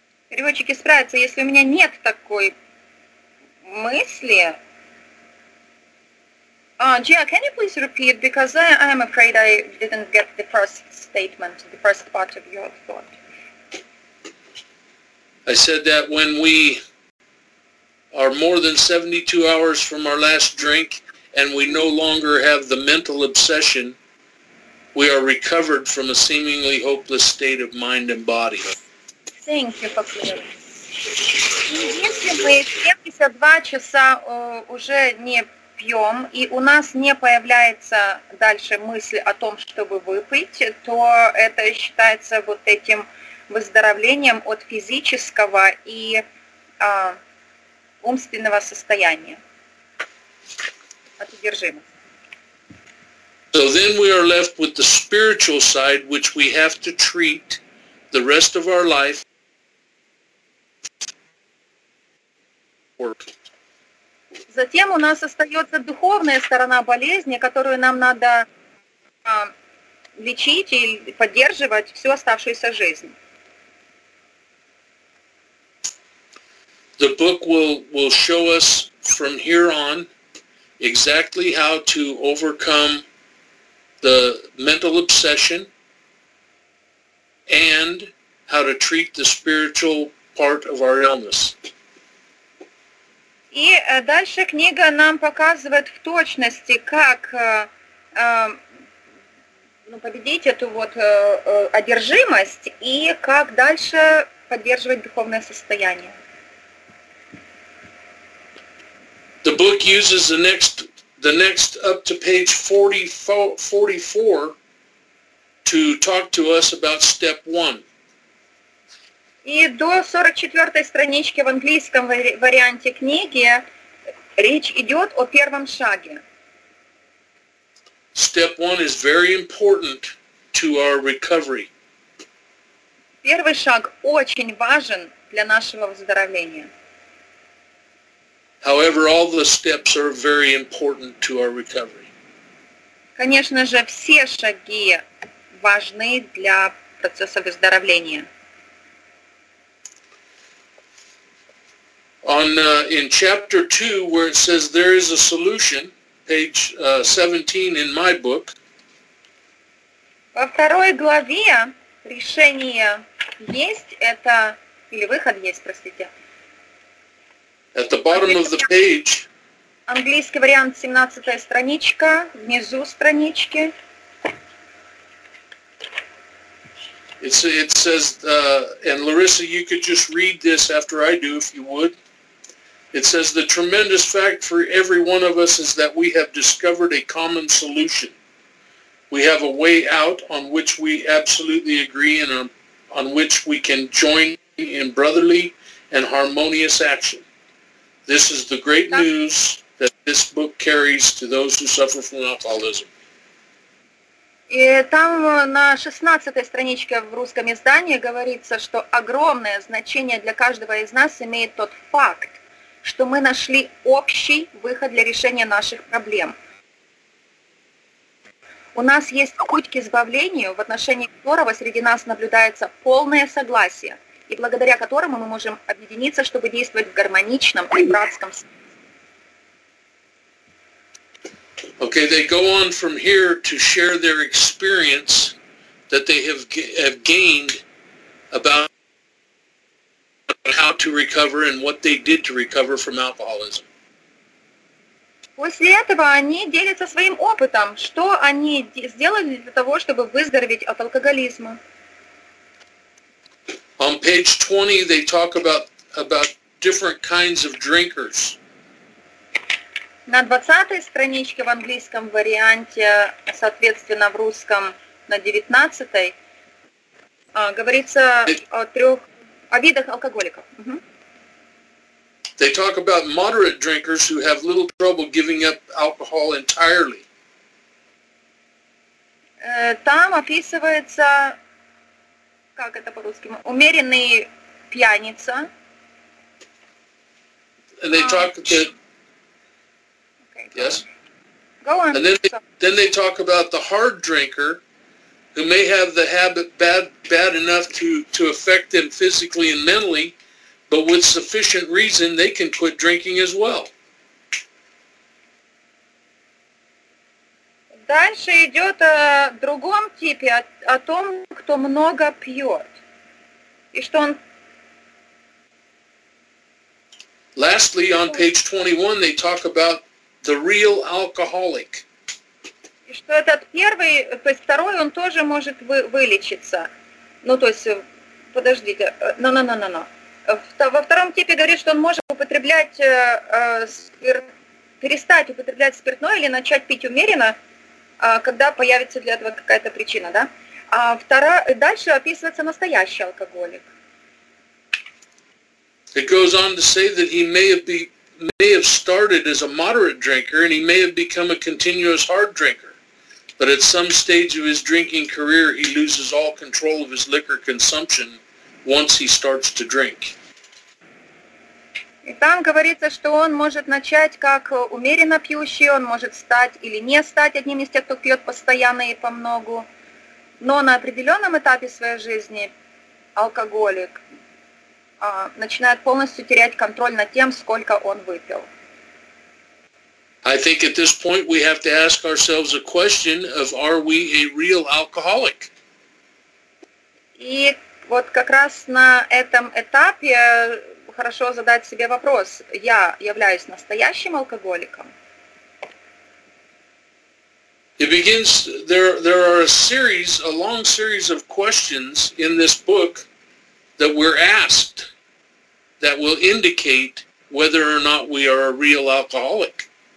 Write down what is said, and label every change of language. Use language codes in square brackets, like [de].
[ru] Рюмочки справятся, если у меня нет такой мысли. [en] Gia, can you please repeat, because I am afraid I didn't get the first statement, the first part of your thought. I said that when we are more than 72 hours from our last drink and we no longer have the mental obsession, we are recovered from a seemingly hopeless state of mind and body. Thank you for clearing. [ru] Если мы 72 часа уже не пьем, и у нас не появляется дальше мысль о том, чтобы выпить, то это считается вот этим выздоровлением от физического и умственного состояния, от одержимости. [en] So then we are left with the spiritual side, which we have to treat the rest of our life. [ru] Затем у нас остается духовная сторона болезни, которую нам надо лечить и поддерживать всю оставшуюся жизнь. [en] The book will show us from here on exactly how to overcome the mental obsession and how to treat the spiritual part of our illness. [ru] И дальше книга нам показывает в точности, как победить эту одержимость и как дальше поддерживать духовное состояние. [en] The book uses the next up to page 44 to talk to us about step one. [ru] И до 44-й странички в английском варианте книги речь идет о первом шаге. [en] Step one is very important to our recovery. [ru] Первый шаг очень важен для нашего выздоровления. [en] However, all the steps are very important to our recovery. [ru] Конечно же, все шаги важны для процесса выздоровления. [en] In chapter 2, where it says there is a solution, page 17 in my book. [ru] Во второй главе решение есть, это, или выход есть, простите. [en] At the bottom of the page. [ru] Английский вариант 17-я страничка, внизу странички. [en] It says, and Larissa, you could just read this after I do, if you would. It says, the tremendous fact for every one of us is that we have discovered a common solution. We have a way out on which we absolutely agree and on which we can join in brotherly and harmonious action. This is the great news that this book carries to those who suffer from alcoholism. [ru] И там на 16-й страничке в русском издании говорится, что огромное значение для каждого из нас имеет тот факт, что мы нашли общий выход для решения наших проблем. У нас есть путь к избавлению, в отношении которого среди нас наблюдается полное согласие, и благодаря которому мы можем объединиться, чтобы действовать в гармоничном и братском [en] Okay, they go on from here to share their experience that they have gained about how to recover and what they did to recover from alcoholism. [ru] После этого они делятся своим опытом, что они сделали для того, чтобы выздороветь от алкоголизма. [en] On page 20, they talk about different kinds of drinkers. [ru] На 20-й страничке в английском варианте, соответственно, в русском на 19-й, говорится о видах алкоголиков. Uh-huh. [en] They talk about moderate drinkers who have little trouble giving up alcohol entirely. [ru] Там описывается, как это по-русски, умеренный пьяница. [en] And they talk to... Yes? Go on. And then they talk about the hard drinker who may have the habit bad enough to affect them physically and mentally, but with sufficient reason they can quit drinking as well. [ru] Дальше идет о другом типе, о том, кто много пьет. И что он... [en] Lastly, on page 21, they talk about the real alcoholic. [ru] И что этот первый, то есть второй, он тоже может вылечиться. Ну, то есть, подождите, [en] no. [ru] Во втором типе говорит, что он может перестать употреблять спиртное или начать пить умеренно, когда появится для этого какая-то причина, да? А дальше описывается настоящий алкоголик. [en] It goes on to say that he may have started as a moderate drinker and he may have become a continuous hard drinker. But at some stage of his drinking career, he loses all control of his liquor consumption once he starts to drink. [ru] И там говорится, что он может начать как умеренно пьющий, он может стать или не стать одним из тех, кто пьет постоянно и помногу. Но на определенном этапе своей жизни алкоголик начинает полностью терять контроль над тем, сколько он выпил. [en] I think at this point we have to ask ourselves a question of, are we a real alcoholic? [ru] И вот как раз на этом этапе хорошо задать себе вопрос. Я являюсь настоящим алкоголиком? [en] It begins, there are a series, a long series of questions in this book that we're asked that will indicate whether or not we are a real alcoholic.